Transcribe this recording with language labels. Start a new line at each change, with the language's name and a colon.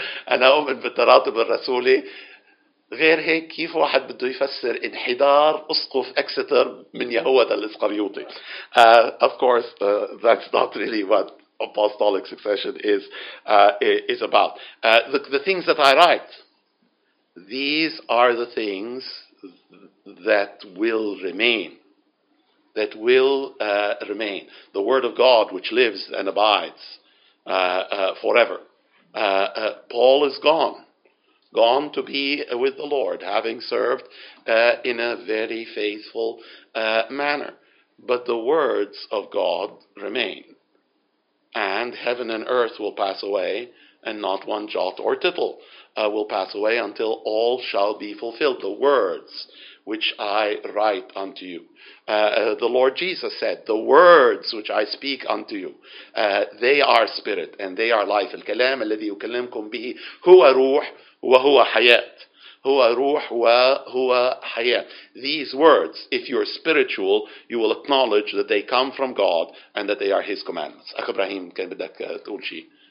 Arabic: أنا أؤمن بالتراتب الرسولي. غير هيك كيف واحد بده يفسر انحدار أسقف إكستر من يهوذا الإسقريوطي؟
English: Of course, that's not really what apostolic succession is about. The things that I write. These are the things that will remain. That will remain. The word of God which lives and abides forever. Paul is gone. Gone to be with the Lord, having served in a very faithful manner. But the words of God remain. And heaven and earth will pass away, and not one jot or tittle will pass away until all shall be fulfilled. The words which I write unto you. The Lord Jesus said, the words which I speak unto you, they are spirit and they are life.
Arabic: الكلام الذي يكلمكم به هو روح وهو حياة. هو روح وهو حياة.
English: These words, if you're spiritual, you will acknowledge that they come from God and that they are His commandments.
Arabic: أخ إبراهيم كان بدك تقول شيء.